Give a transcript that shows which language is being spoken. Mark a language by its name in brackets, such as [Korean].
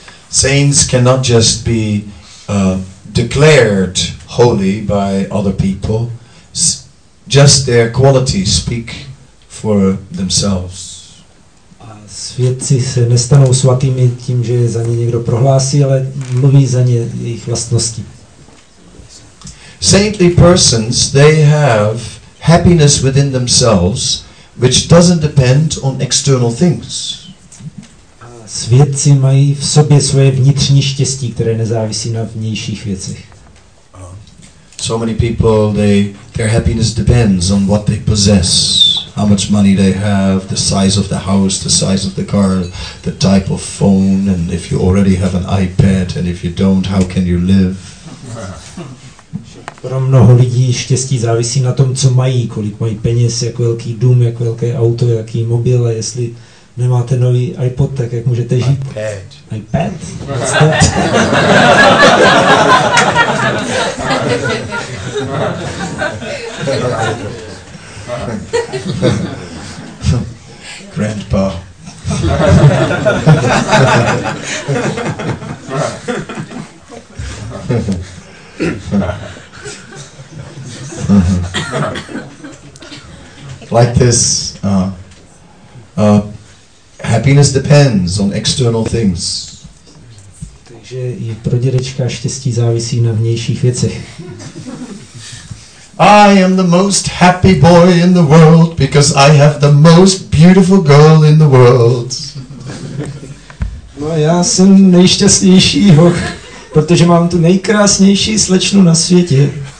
[English] Saints cannot just be declared holy by other people. Just their qualities speak for themselves. [Czech] Světci se nestanou svatými tím, že za ně někdo prohlásí, ale mluví za ně jejich vlastnosti. [English] Saintly persons, they have happiness within themselves, which doesn't depend on external things. [Czech] Světci mají v sobě svoje vnitřní štěstí, které nezávisí na vnějších věcech. [English] So many people, their happiness depends on what they possess. How much money they have, the size of the house, the size of the car, the type of phone, and if you already have an iPad, and if you don't, how can you live? [Czech] Pro mnoho lidí štěstí závisí na tom, co mají, kolik mají peněz, jak velký dům, jak velké auto, jaký mobil, a jestli nemáte nový iPod, tak jak můžete žít? [English] iPad. iPad? What's that? Grandpa. Like this, happiness depends on external things. [Czech] Takže i pro dědečka štěstí závisí na vnějších věcech. [English] I am the most happy boy in the world because I have the most beautiful girl in the world. [Czech] No, já jsem nejšťastnější hoch, protože mám tu nejkrásnější slečnu na světě.